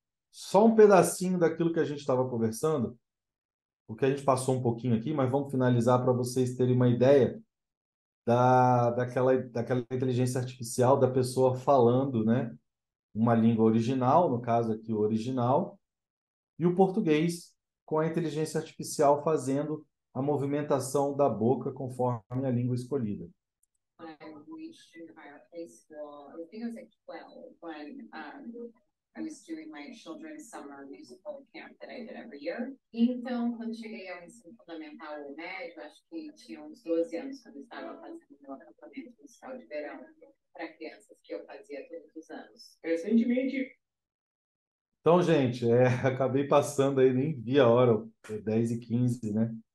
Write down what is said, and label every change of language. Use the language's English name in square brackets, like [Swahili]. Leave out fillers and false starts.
[Portuguese] Só um pedacinho daquilo que a gente estava conversando, porque a gente passou um pouquinho aqui, mas vamos finalizar para vocês terem uma ideia daquela inteligência artificial da pessoa falando, né? Uma língua original, no caso aqui o original, e o português com a inteligência artificial fazendo a movimentação da boca conforme a língua escolhida. [English] I reached in our high school, I think I was like 12, when I was doing my children's summer musical camp that I did every year. [Portuguese] Então, quando cheguei ao ensino fundamental ou médio, acho que tinha uns 12 anos quando estava fazendo meu acampamento musical de verão para crianças que eu fazia todos os anos. Recentemente. Então, gente, acabei passando aí, nem vi a hora, 10h15, né?